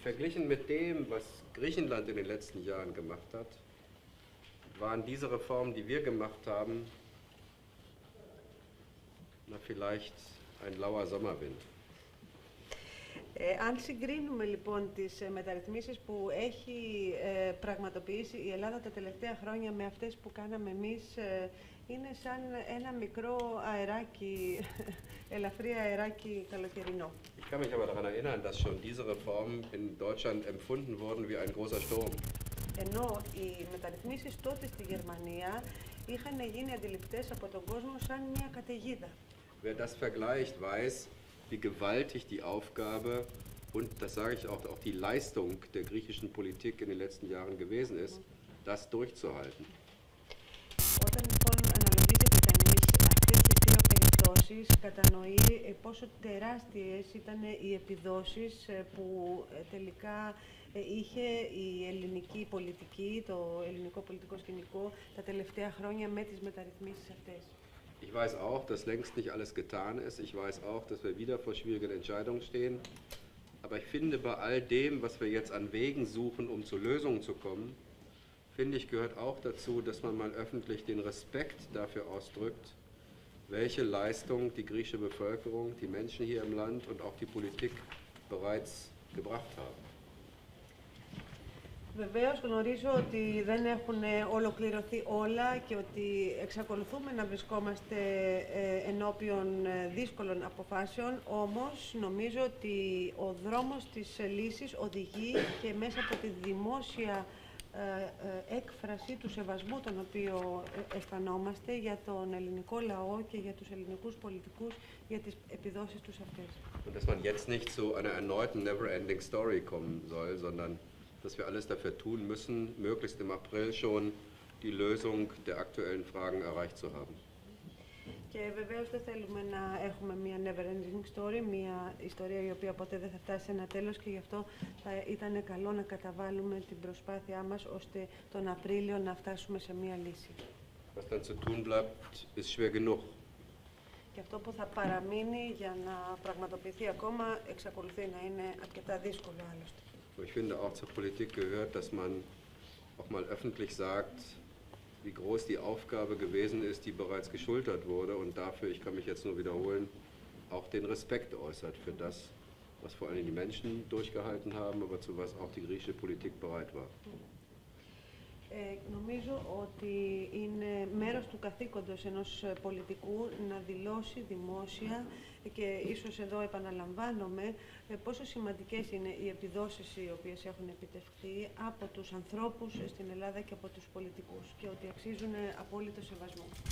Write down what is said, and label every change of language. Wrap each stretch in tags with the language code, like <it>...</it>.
<de>Verglichen mit dem, was Griechenland in den letzten Jahren gemacht hat, waren diese Reformen, die wir gemacht haben, na vielleicht ein lauer Sommerwind.</de> <el>Αν συγκρίνουμε λοιπόν τις μεταρρυθμίσεις που έχει πραγματοποιήσει η Ελλάδα τα τελευταία χρόνια με αυτές που κάναμε εμείς, είναι σαν ένα μικρό αεράκι, ελαφρύ αεράκι καλοκαιρινό.</el> <de>Ich kann mich aber daran erinnern, dass schon diese Reformen in Deutschland empfunden wurden wie ein großer Sturm.</de> <el>Ενώ οι μεταρρυθμίσεις τότε στη Γερμανία είχαν γίνει αντιληπτές από τον κόσμο σαν μια καταιγίδα.</el> <de>Wer das vergleicht, weiß, wie gewaltig die Aufgabe und, das sage ich auch, auch die Leistung der griechischen Politik in den letzten Jahren gewesen ist, das durchzuhalten.</de> <el>Όταν λοιπόν αναλογίζεται κανείς αυτές τις δύο περιπτώσεις, κατανοεί πόσο τεράστιες ήταν οι επιδόσεις που τελικά είχε η ελληνική πολιτική, το ελληνικό πολιτικό σκηνικό τα τελευταία χρόνια με τις μεταρρυθμίσεις αυτές.</el> <de>Ich weiß auch, dass längst nicht alles getan ist. Ich weiß auch, dass wir wieder vor schwierigen Entscheidungen stehen. Aber ich finde, bei all dem, was wir jetzt an Wegen suchen, um zu Lösungen zu kommen, finde ich, gehört auch dazu, dass man mal öffentlich den Respekt dafür ausdrückt, welche Leistung die griechische Bevölkerung, die Menschen hier im Land und auch die Politik bereits gebracht haben.</de> <el>Βεβαίως γνωρίζω ότι δεν έχουν ολοκληρωθεί όλα και ότι εξακολουθούμε να βρισκόμαστε ενώπιον δύσκολων αποφάσεων, όμως νομίζω ότι ο δρόμος της λύσης οδηγεί και μέσα από τη δημόσια έκφραση του σεβασμού τον οποίο αισθανόμαστε για τον ελληνικό λαό και για τους ελληνικούς πολιτικούς για τις επιδόσεις τους αυτές.</el> <de>Dass man jetzt nicht zu einer erneuten</de> <en>never-ending story</en> <de>kommen soll, sondern dass wir alles dafür tun müssen, möglichst im April schon die Lösung der aktuellen Fragen erreicht zu haben.</de> <el>Και βεβαίως δεν θέλουμε να έχουμε μια</el> <en>never ending story,</en> <el>μια ιστορία η οποία ποτέ δεν θα φτάσει σε ένα τέλος και γι' αυτό θα ήταν καλό να καταβάλουμε την προσπάθειά μας ώστε τον Απρίλιο να φτάσουμε σε μια λύση.</el> <de>Was dann zu tun bleibt, ist schwer genug.</de> <el>Και αυτό που θα παραμείνει για να πραγματοποιηθεί ακόμα εξακολουθεί να είναι αρκετά δύσκολο άλλωστε.</el> <de>Ich finde, auch zur Politik gehört, dass man auch mal öffentlich sagt, wie groß die Aufgabe gewesen ist, die bereits geschultert wurde. Und dafür, ich kann mich jetzt nur wiederholen, auch den Respekt äußert für das, was vor allem die Menschen durchgehalten haben, aber zu was auch die griechische Politik bereit war.</de> <el>Νομίζω ότι είναι μέρος του καθήκοντος ενός πολιτικού να δηλώσει δημόσια και ίσως εδώ επαναλαμβάνομαι πόσο σημαντικές είναι οι επιδόσεις οι οποίες έχουν επιτευχθεί από τους ανθρώπους στην Ελλάδα και από τους πολιτικούς και ότι αξίζουν απόλυτο σεβασμό.</el>